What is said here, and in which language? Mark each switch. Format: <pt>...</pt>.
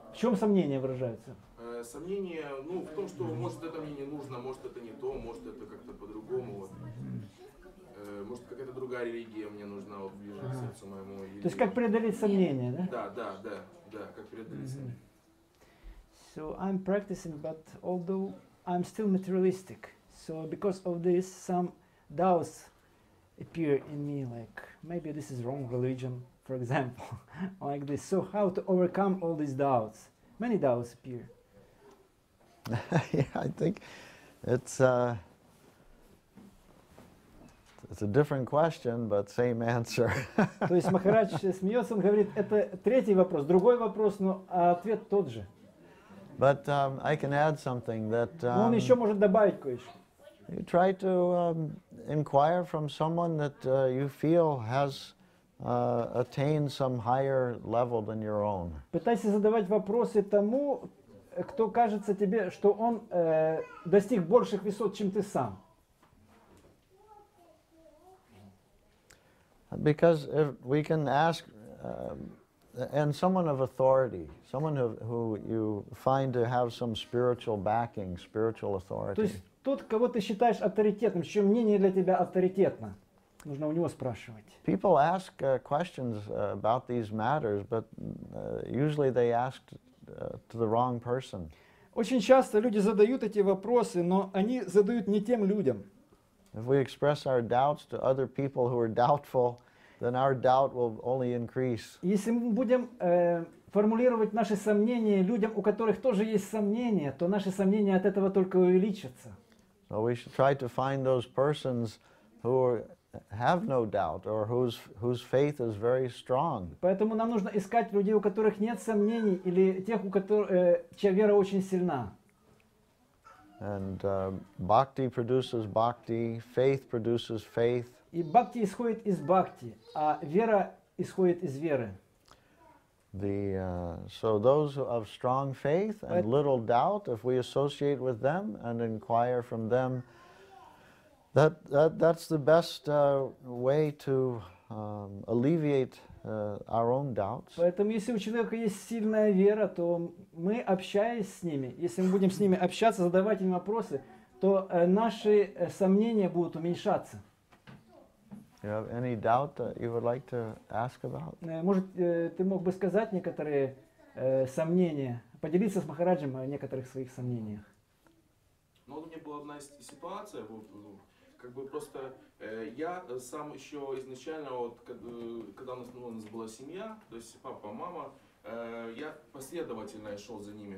<ru>В чем сомнения выражаются? Сомнения, ну, в том, что может это мне не нужно, может это не то, может это как-то по-другому. Вот. Может какая-то другая религия мне нужна, вот ближе к сердцу моему. Религии. То есть как преодолеть сомнения, да? Да, как преодолеть сомнения.</ru> <en>So I'm practicing, but although I'm still materialistic, so because of this, some doubts appear in me, like maybe this is wrong religion, for example, like this. So how to overcome all these doubts? Many doubts appear. Yeah, I think it's a different question, but same answer.</en> <ru>То есть Махарадж смеется, он говорит, это третий вопрос, другой вопрос, но ответ тот же.</ru> <en>But I can add something that</en> <ru>он ещё может добавить кое-что.</ru> <en>You try to inquire from someone that you feel has attained some higher level than your own.</en> <ru>Пытайся задавать вопросы тому, кто кажется тебе, что он достиг больших высот, чем ты сам.</ru> <en>Because if we can ask and someone of authority, someone who you find to have some spiritual backing, spiritual authority.</en> <ru>То есть тот, кого ты считаешь авторитетным, чье мнение для тебя авторитетно, нужно у него спрашивать.</ru> <en>People ask questions about these matters, but usually they ask to the wrong person.</en> <ru>Очень часто люди задают эти вопросы, но они задают не тем людям.</ru> <en>If we express our doubts to other people who are doubtful, then our doubt will only increase.</en> <ru>Если мы будем формулировать наши сомнения людям, у которых тоже есть сомнения, то наши сомнения от этого только увеличатся.</ru> <en>So we should try to find those persons who have no doubt or whose faith is very strong.</en> <ru>Поэтому нам нужно искать людей, у которых нет сомнений, или тех, у которых чья вера очень сильна.</ru> <en>And bhakti produces bhakti, faith produces faith.</en> <ru>И бхакти исходит из бхакти, а вера исходит из веры.</ru> <en>So those of strong faith and little doubt, if we associate with them and inquire from them, that's the best way to alleviate our own doubts.</en> <ru>Поэтому если у человека есть сильная вера, то мы, общаясь с ними, если мы будем с ними общаться, задавать им вопросы, то наши сомнения будут уменьшаться.</ru> <en>You have any doubt that you would like to ask about?</en> <ru>Может, ты мог бы сказать некоторые сомнения, поделиться с Махараджем о некоторых своих сомнениях? Ну, у меня была одна ситуация, как бы просто я сам еще изначально, вот когда у нас была семья, то есть папа, мама, я последовательно шел за ними.</ru>